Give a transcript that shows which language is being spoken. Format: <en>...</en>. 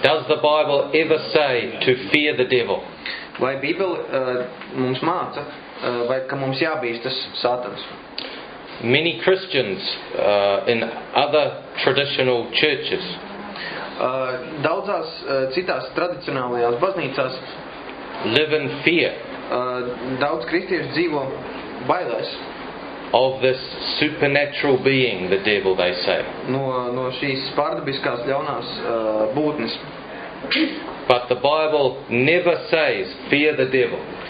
<en>Does the Bible ever say to fear the devil?</en> <lv>Vai Bībele mums māca, vai ka mums jābīstas Sātans?</lv> <en>Many Christians in other traditional churches.</en> <lv>Daudzās citās tradicionālajās baznīcās</lv> <en>live in fear.</en> <lv>Daudz kristieši dzīvo bailēs.</lv> <en>Of this supernatural being, the devil, they say.</en> <lv>No šīs pārdabiskās ļaunās būtnes.</lv> <en>But the Bible never says, fear the devil.</en>